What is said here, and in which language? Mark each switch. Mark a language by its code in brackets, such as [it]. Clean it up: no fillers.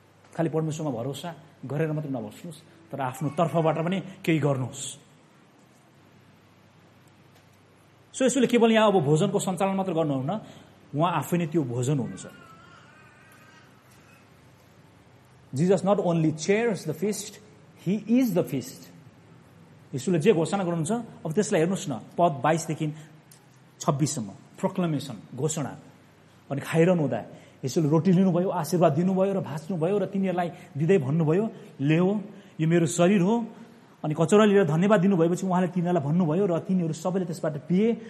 [ne] खालि परमेश्वरमा भरोसा गरेर मात्र नबस्नुहोस् तर आफ्नो तर्फबाट पनि केही गर्नुहोस्। सो यसले केवल यहाँ अब भोजनको सञ्चालन मात्र गर्नुहुन्न, उहाँ आफै नै त्यो भोजन हुनुहुन्छ। [en] Jesus not only chairs the feast, he is the feast. [ne] यसले जे घोषणा गर्नुहुन्छ अब त्यसलाई हेर्नुहोस् न, पद 22-26 प्रोक्लमेसन घोषणा। अनि खाइरहनु हुँदा यसले रोटी लिनुभयो, आशीर्वाद दिनुभयो र भाँच्नुभयो र तिनीहरूलाई दिँदै भन्नुभयो, ल्याऊ यो मेरो शरीर हो। अनि कचौरा लिएर धन्यवाद दिनुभएपछि उहाँले तिनीहरूलाई भन्नुभयो र तिनीहरू सबैले त्यसबाट पिए।